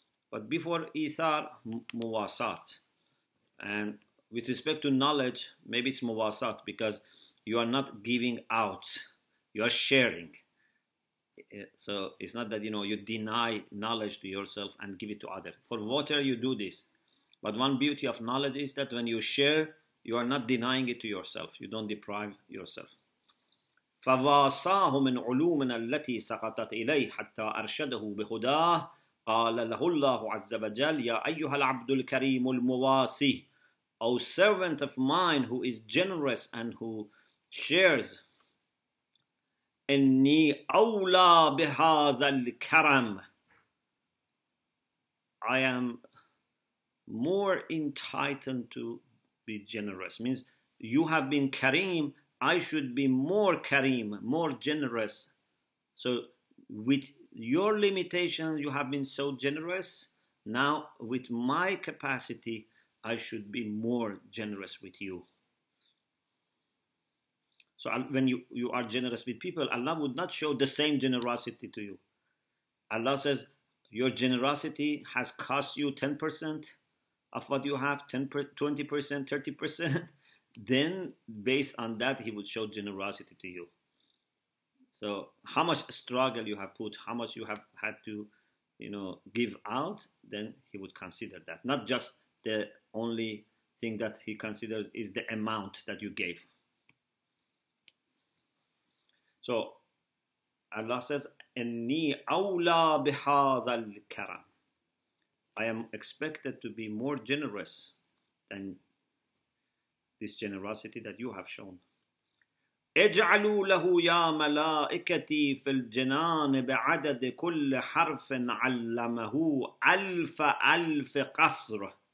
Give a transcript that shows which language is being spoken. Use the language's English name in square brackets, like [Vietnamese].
[English] But before ithar, muwasat. And with respect to knowledge, maybe it's muwasat because you are not giving out, you are sharing. So it's not that, you know, you deny knowledge to yourself and give it to others. For water, you do this. But one beauty of knowledge is that when you share, you are not denying it to yourself. You don't deprive yourself. [Arabic] فواساه من علومنا التي سقطت إليه حتى أرشده بهداه قال له الله عز وجل يا أيها العبد الكريم المواسي [English] O servant of mine who is generous and who shares [Arabic] إني أولى بهذا الكرم [English] I am more entitled to be generous. Means you have been kareem, I should be more kareem, more generous. So with your limitations, you have been so generous. Now with my capacity, I should be more generous with you. So when you are generous with people, Allah would not show the same generosity to you. Allah says, your generosity has cost you 10% of what you have, 20%, 30%. Then based on that, he would show generosity to you. So how much struggle you have put, how much you have had to, you know, give out, then he would consider that. Not just the only thing that he considers is the amount that you gave. So Allah says, [Arabic] أني أولى بهذا الكرم. [English] I am expected to be more generous than this generosity that you have shown. [Arabic] اجعلوا له يا ملائكتي في الجنان بعدد كل حرف علمه ألف ألف قصر.